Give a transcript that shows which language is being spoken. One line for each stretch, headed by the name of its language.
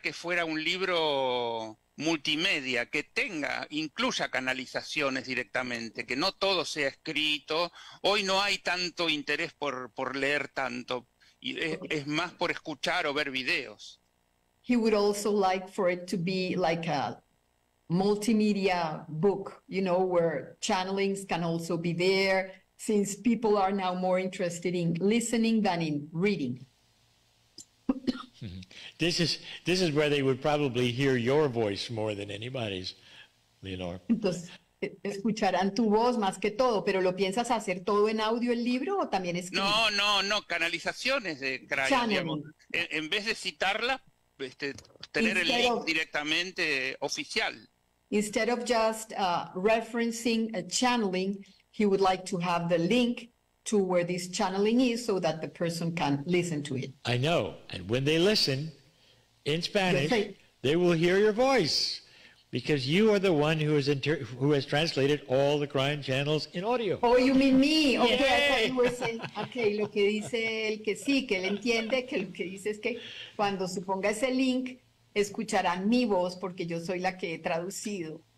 Spanish: que fuera un libro multimedia, que tenga, incluya canalizaciones directamente, que no todo sea escrito. Hoy no hay tanto interés por leer tanto, y es más por escuchar o ver videos.
English: He would also like for it to be like a multimedia book, you know, where channelings can also be there, since people are now more interested in listening than in reading. This is where they would probably hear your voice more than anybody's, Leonor.
Spanish: Entonces, escucharán tu voz más que todo, pero ¿lo piensas hacer todo en audio el libro o también escribir? No, canalizaciones de Crayon. Channeling. En vez de citarla, tener el link directamente oficial.
English: Instead of just referencing a channeling, he would like to have the link to where this channeling is so that the person can listen to it. I know. And when they listen in Spanish, they will hear your voice because you are the one who has translated all the Crayon channels in audio. Oh, you mean me. Okay, yay! I thought you were saying, okay,
Spanish: lo que dice el que sí, que él entiende, que lo que dice es que cuando se ponga ese link, escucharán mi voz porque yo soy la que he traducido